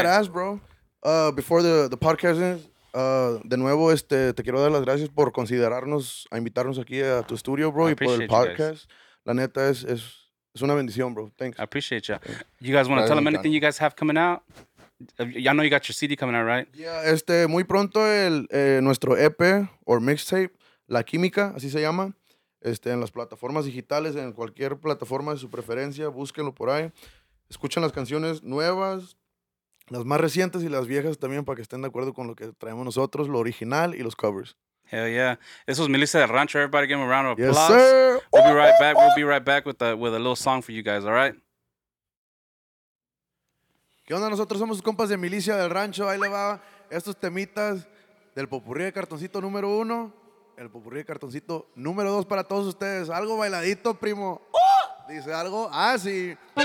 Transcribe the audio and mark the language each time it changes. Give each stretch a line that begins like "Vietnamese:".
English: it? Badass, bro. Before the podcast ends,
Spanish: de nuevo, te quiero dar las gracias por considerarnos, a invitarnos aquí a tu estudio, bro, y por el podcast. La neta, es una bendición, bro.
English: Thanks. I appreciate you. You guys want to tell them anything you guys have coming out? Y'all know you got your CD coming out, right?
Spanish: Yeah, muy pronto nuestro EP
English: or mixtape,
Spanish: La Química, así se llama, en las plataformas digitales, en cualquier plataforma de su preferencia, búsquenlo por ahí. Escuchen las canciones nuevas, las más recientes y las viejas también, para que estén de acuerdo con lo que traemos nosotros, lo original y los covers.
English: Hell yeah. This was Milicia Del Rancho. Everybody give him a round of applause. Yes, sir. We'll be right back. We'll be right back with a little song for you guys, all right?
Spanish: ¿Qué onda? Nosotros somos compas de Milicia del Rancho. Ahí le va estos temitas del popurrí de cartoncito número uno. El popurrí de cartoncito número dos para todos ustedes. Algo bailadito, primo. Dice algo así.